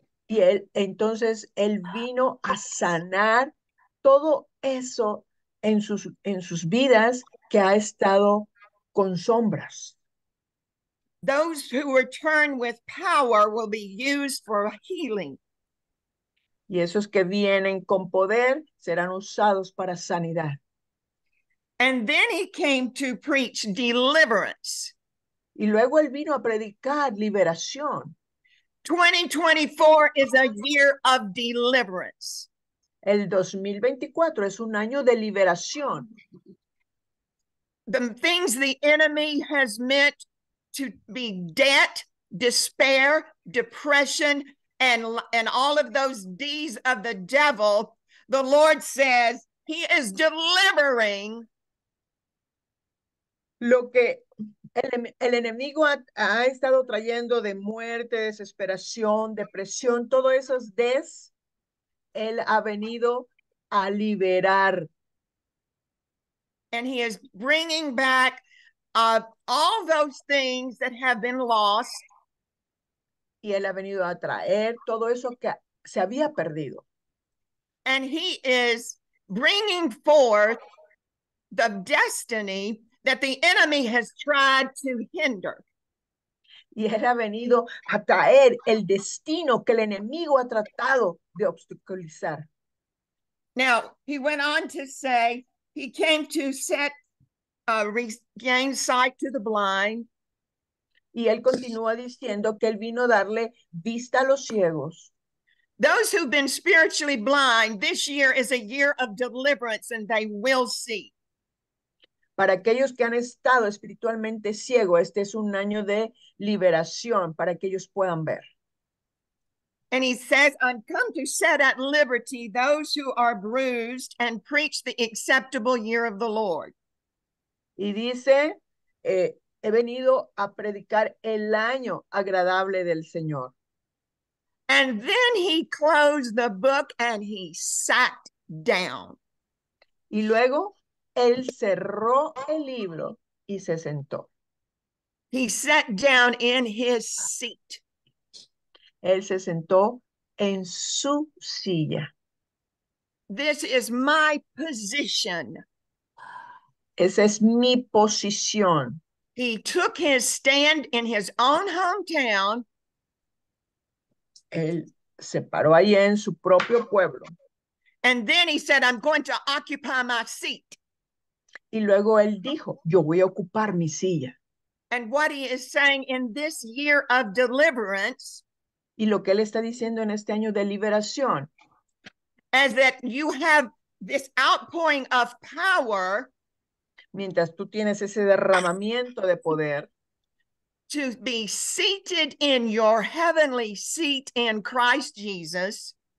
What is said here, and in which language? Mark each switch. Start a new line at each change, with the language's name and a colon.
Spanish: Y él, entonces él vino a sanar todo eso en sus vidas que ha estado con sombras.
English: Those who return with power will be used for healing.
Spanish: Y esos que vienen con poder serán usados para sanidad.
English: And then he came to preach deliverance.
Spanish: Y luego él vino a predicar liberación.
English: 2024 is a year of deliverance.
Spanish: El 2024 es un año de liberación.
English: The things the enemy has meant to be debt, despair, depression, and all of those D's of the devil, the Lord says he is delivering.
Spanish: Lo que el enemigo ha estado trayendo de muerte, desesperación, depresión, todo eso es des. Él ha venido a liberar.
English: And he is bringing back all those things that have been lost.
Spanish: Y él ha venido a traer todo eso que se había perdido.
English: And he is bringing forth the destiny that the enemy has tried to hinder.
Spanish: Y él ha venido a traer el destino que el enemigo ha tratado de obstaculizar.
English: Now, he went on to say, he came to set, regain sight to the blind.
Spanish: Y él continúa diciendo que él vino a darle vista a los ciegos.
English: Those who've been spiritually blind, this year is a year of deliverance and they will see.
Spanish: Para aquellos que han estado espiritualmente ciego, este es un año de liberación para que ellos puedan ver.
English: And he says, I'm come to set at liberty those who are bruised and preach the acceptable year of the Lord.
Spanish: Y dice, he venido a predicar el año agradable del Señor.
English: And then he closed the book and he sat down.
Spanish: Y luego él cerró el libro y se sentó.
English: He sat down in his seat.
Spanish: Él se sentó en su silla.
English: This is my position.
Spanish: Esa es mi posición.
English: He took his stand in his own hometown.
Spanish: Él se paró ahí en su propio pueblo.
English: And then he said, I'm going to occupy my seat.
Spanish: Y luego él dijo, yo voy a ocupar mi silla.
English: And what he is saying in this year of deliverance.
Spanish: Y lo que él está diciendo en este año de liberación.
English: As that you have this outpouring of power.
Spanish: Mientras tú tienes ese derramamiento de poder.
English: To be seated in your heavenly seat in Christ Jesus.